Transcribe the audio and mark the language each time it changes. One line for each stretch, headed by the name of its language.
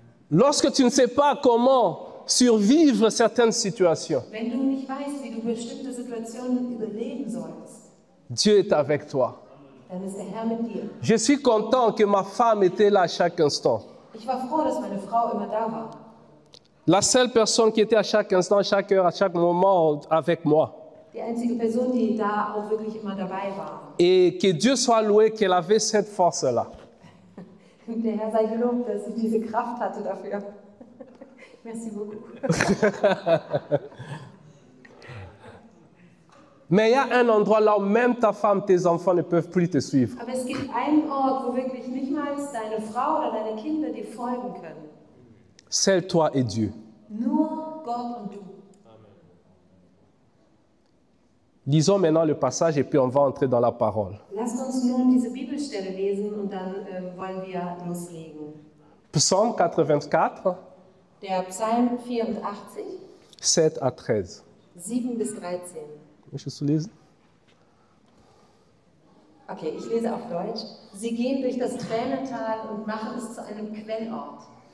French: Lorsque tu ne sais pas comment survivre certaines situations,
German: wenn du nicht weißt, wie du bestimmte Situationen überleben sollst,
French: Dieu est avec toi.
German: Dann ist der Herr mit dir.
French: Je suis content que ma femme était là chaque instant.
German: Ich war froh, dass meine Frau immer da war.
French: La seule personne qui était à chaque instant, à chaque heure, à chaque moment avec moi.
German: Die einzige Person, die da auch wirklich immer dabei war.
French: Et que Dieu soit loué qu'elle avait cette force-là.
German: Der Herr sei gelobt, dass sie diese Kraft hatte dafür.
French: Merci beaucoup. Mais il y a un endroit là où même ta femme, tes enfants ne peuvent plus te suivre.
German: Aber es gibt einen Ort, wo wirklich nicht mal deine Frau oder deine Kinder dir folgen können.
French: Seul toi et Dieu.
German: Nur Gott und du.
French: Lisons maintenant le passage et puis on va entrer dans la parole.
German: Lasst uns nun diese Bibelstelle lesen und dann wollen wir loslegen. Psalm 84. Der Psalm 84.
French: 7 à 13.
German: 7 bis 13. Möchtest du lesen? Okay, ich lese auf Deutsch. Sie gehen durch das Tränental und machen es zu einem Quellort.